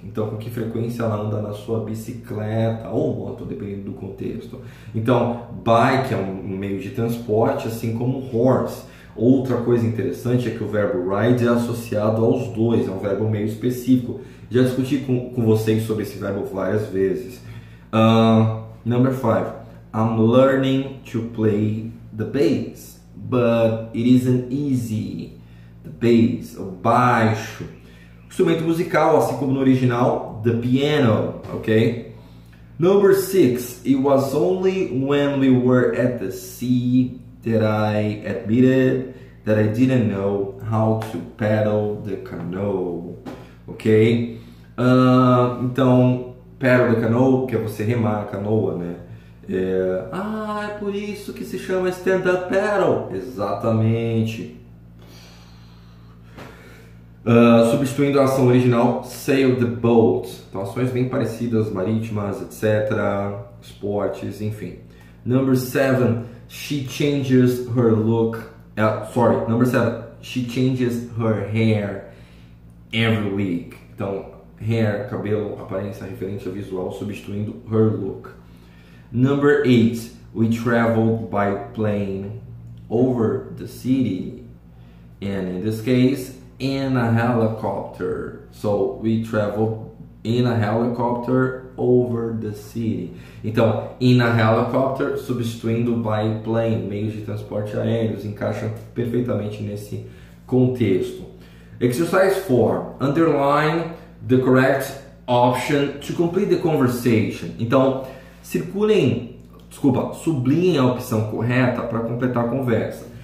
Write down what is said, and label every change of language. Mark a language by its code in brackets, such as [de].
[pt] Então, com que frequência ela anda na sua bicicleta ou moto, dependendo do contexto. Então, bike é um meio de transporte, assim como horse. Outra coisa interessante é que o verbo ride é associado aos dois, é um verbo meio específico. Já discuti com vocês sobre esse verbo várias vezes. [en] Number 5. I'm learning to play the bass, but it isn't easy. [pt] Bass, o baixo. Instrumento musical, assim como no original, the piano, ok? [en] Number 6. It was only when we were at the sea that I admitted that I didn't know how to paddle the canoe, ok? [pt] Então, [en] paddle the canoe, [pt] que é você remar a canoa, né? É por isso que se chama stand up paddle. Exatamente. Substituindo a ação original, [en] sail the boat. [pt] Então, ações bem parecidas, marítimas, etc. Esportes, enfim. [en] Number 7. She changes her look. Sorry. Number 7. She changes her hair every week. [pt] Então, hair, cabelo, aparência, referência visual, substituindo her look. [en] Number 8. We traveled by plane over the city. And in this case, in a helicopter. So we travel in a helicopter over the city. [pt] Então, [en] in a helicopter, [pt] substituindo by plane, meio de transporte aéreo, encaixa perfeitamente nesse contexto. [en] Exercise 4. Underline the correct option to complete the conversation. [pt] Então, sublinhe a opção correta para completar a conversa.